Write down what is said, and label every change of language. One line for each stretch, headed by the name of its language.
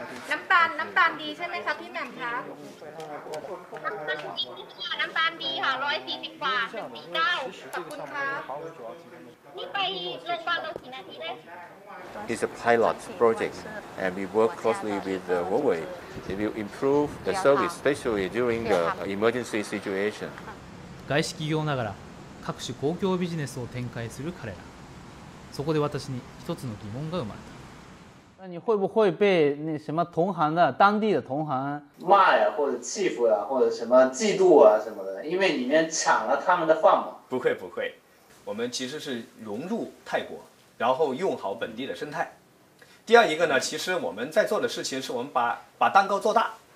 Thai: น้ำตาลน้ำตาลดีใช่ไหมคะพี่แหม่มคะน้ำตาลดีค่ะ140 บาท149ขอบคุณครับนี่ไปโรงพยาบาลกี่นาทีได้
English: It's a pilot project, and we work closely with Huawei. It will improve the service, especially during the emergency situation.
Japanese: 外資企業ながら各種公共ビジネスを展開する彼ら。そこで私に一つの疑問が生まれた。
Chinese: 那你会不会被那什么同行的当地的同行骂呀，或者欺负呀，或者什么嫉妒啊什么的？因为你们抢了他们的饭嘛。不会不会，我们其实是融入泰国。然后用好本地的生态。第二一个呢，其实我们在做的事情是我们把蛋糕做大。